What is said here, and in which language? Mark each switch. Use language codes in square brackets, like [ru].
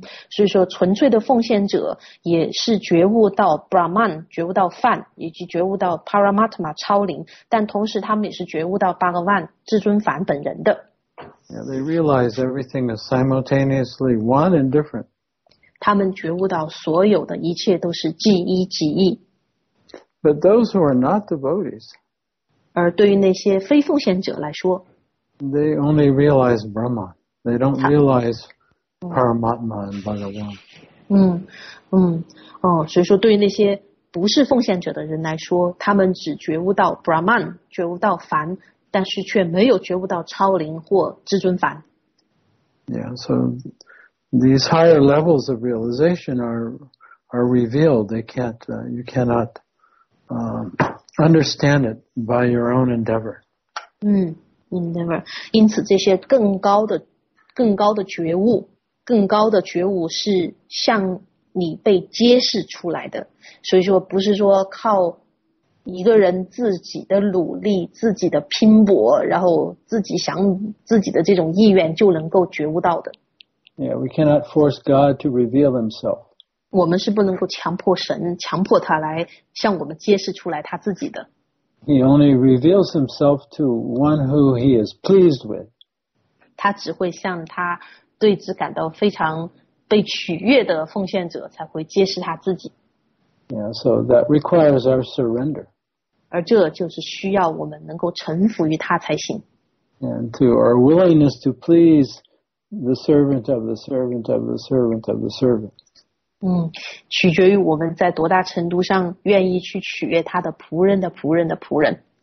[zh] 所以说纯粹的奉献者也是觉悟到 Brahman, 觉悟到梵以及觉悟到 Paramatma, 超灵，但同时他们也是觉悟到 Bhagavan, 至尊梵本人的。 [en] Yeah, they realize everything is simultaneously one and different. [zh] 他们觉悟到所有的一切都是即一即一。 [en] But those who are not devotees, [zh] 而对于那些非奉献者来说， [en] they only realize Brahman. They don't realize Paramatma and Bhagavan. [zh] 所以说对于那些不是奉献者的人来说，他们只觉悟到 Brahman, 觉悟到梵，但是却没有觉悟到超灵或至尊梵。 [en] Yeah, so these higher levels of realization are revealed. They can't, you cannot understand it by your own endeavor. Endeavor. [zh] 因此这些更高的觉悟，更高的觉悟是向你被揭示出来的，所以说不是说靠一个人自己的努力、自己的拼搏，然后自己想自己的这种意愿就能够觉悟到的。 [en] Yeah, we cannot force God to reveal himself. [zh] 我们是不能够强迫神、强迫他来向我们揭示出来他自己的。 [en] He only reveals himself to one who he is pleased with. [zh] 他只会向他对此感到非常被取悦的奉献者才会揭示他自己。 [en] Yeah, so that requires our surrender. [zh] 而这就是需要我们能够臣服于他才行。 [en] and to our willingness to please the servant of the servant of the servant of the servant. [zh] 取决于我们在多大程度上愿意去取悦他的仆人的仆人的仆人。